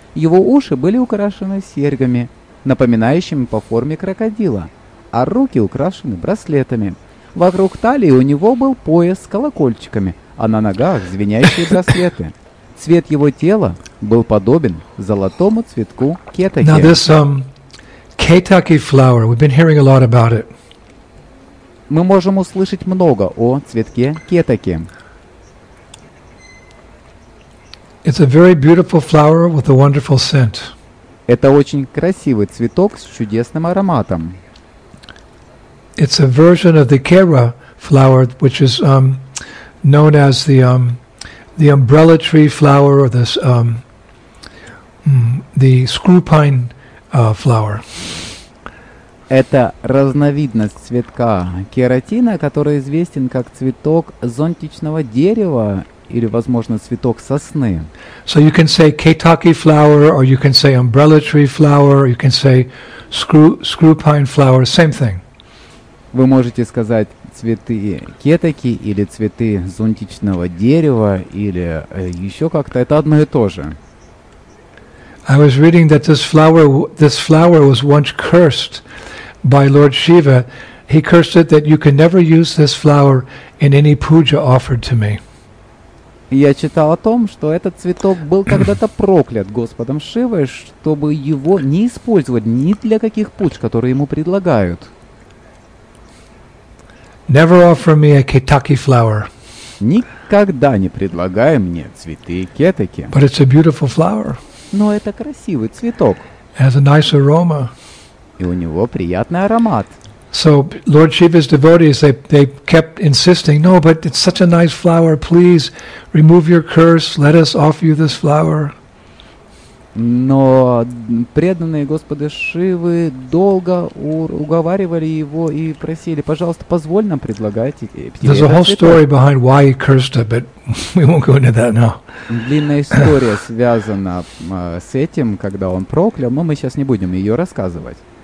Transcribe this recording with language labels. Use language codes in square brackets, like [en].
[ru] Его уши были украшены серьгами, напоминающими по форме крокодила, а руки украшены браслетами. Вокруг талии у него был пояс с колокольчиками, а на ногах звенящие браслеты. Цвет его тела был подобен золотому цветку кетаки. [en] Now this Ketaki flower, we've been hearing a lot about it. [ru] Мы можем услышать много о цветке кетаки. [en] It's a very beautiful flower with a wonderful scent. [ru] Это очень красивый цветок с чудесным ароматом. [en] It's a version of the Kera flower, which is known as the umbrella tree flower or this the screw pine flower. [ru] Это разновидность цветка кератина, который известен как цветок зонтичного дерева или, возможно, цветок сосны. [en] So you can say Ketaki flower, or you can say umbrella tree flower, or you can say screw pine flower. Same thing. [ru] Вы можете сказать цветы кетаки или цветы зонтичного дерева или еще как-то. Это одно и то же. [en] I was reading that this flower was once cursed by Lord Shiva. He cursed it that you can never use this flower in any puja offered to me. [ru] Я читал о том, что этот цветок был когда-то проклят Господом Шивой, чтобы его не использовать ни для каких пуч, которые ему предлагают. [en] Never offer me a Kentucky flower. [ru] Никогда не предлагай мне цветы кетаки. [en] But it's a beautiful flower. [ru] Но это красивый цветок. [en] It has a nice aroma. [ru] И у него приятный аромат. [en] So Lord Shiva's devotees, they kept insisting, no, but it's such a nice flower, please remove your curse, let us offer you this flower. [ru] Но преданные Господа Шивы долго уговаривали его и просили, пожалуйста, позволь нам предлагать тебе этот цветок. [en] There's a whole story behind why he cursed her, but we won't go into that now. [ru] Длинная история связана с этим, когда он проклял, но мы сейчас не будем ее рассказывать.